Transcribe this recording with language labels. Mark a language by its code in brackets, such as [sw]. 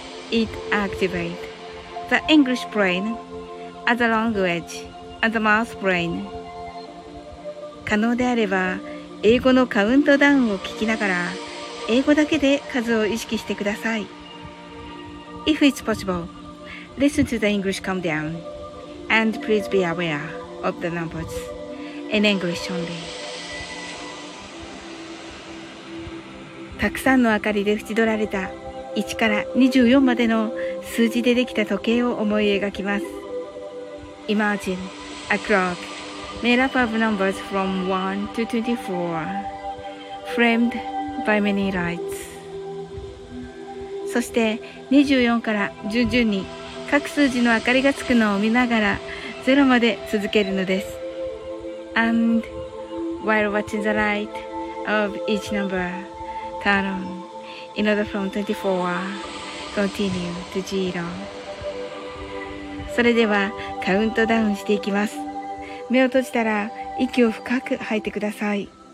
[en] It activates the English brainas the language and the mouth brain. [ja] 可能であれば英語のカウントダウンを聞きながら英語だけで数を意識してください。 [en] If it's possible, listen to the English countdown and please be aware of the numbers in English only. [ja] たくさんの明かりで縁取られた1から24までの数字でできた時計を思い描きます。 [en] Imagine a clock made up of numbers from 1 to 24, framed by many lights. [ja] そして24から順々に各数字の明かりがつくのを見ながら0まで続けるのです。 [en] And while watching the light of each number turn on, in order from 24, continue to 0. [ja] それではカウントダウンしていきます。目を閉じたら息を深く吐いてください。